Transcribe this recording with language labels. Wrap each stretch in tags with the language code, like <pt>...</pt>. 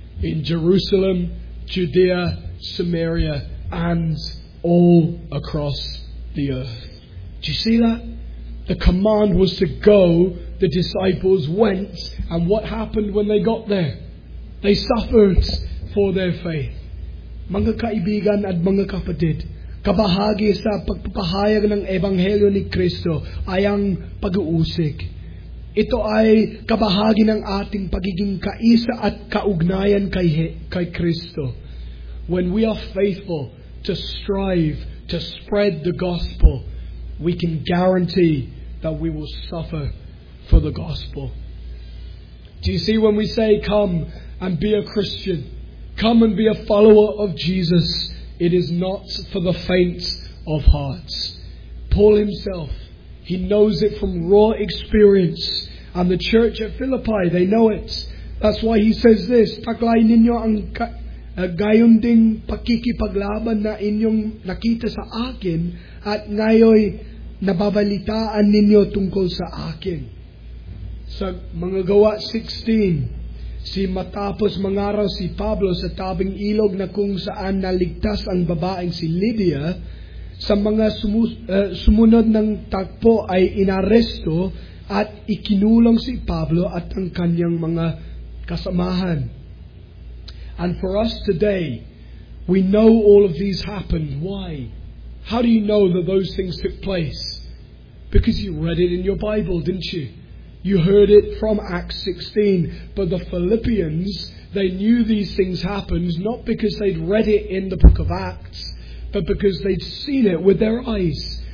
<en>In Jerusalem, Judea, Samaria, and all across the earth. Do you see that? The command was to go. The disciples went. And what happened when they got there? They suffered for their faith.</en> <tl>Mga kaibigan at mga kapatid, kabahagi sa pagpapahayag ng Ebanghelyo ni Kristo ay ang pag-uusig. Ito ay kabahagi ng ating pagiging kaisa at kaugnayan kay Kristo.</tl> <en>When we are faithful to strive to spread the gospel, we can guarantee that we will suffer for the gospel. Do you see when we say, come and be a Christian, come and be a follower of Jesus, it is not for the faint of hearts. Paul himself, he knows it from raw experience. And the church at Philippi, they know it. That's why he says this,</en> <tl>taglay ninyo ang gayon ding pakikipaglaban na inyong nakita sa akin at ngayon nababalitaan ninyo tungkol sa akin. Sa mga gawa 16, si matapos mangaraw si Pablo sa tabing ilog na kung saan naligtas ang babaeng si Lydia, sa mga sumunod ng takpo ay inaresto at ikinulong si Pablo at ang kanyang mga kasamahan.</tl> <en>And for us today, we know all of these happened. Why? How do you know that those things took place? Because you read it in your Bible, didn't you? You heard it from Acts 16. But the Philippians, they knew these things happened, not because they'd read it in the book of Acts, but because they'd seen it with their eyes.</en>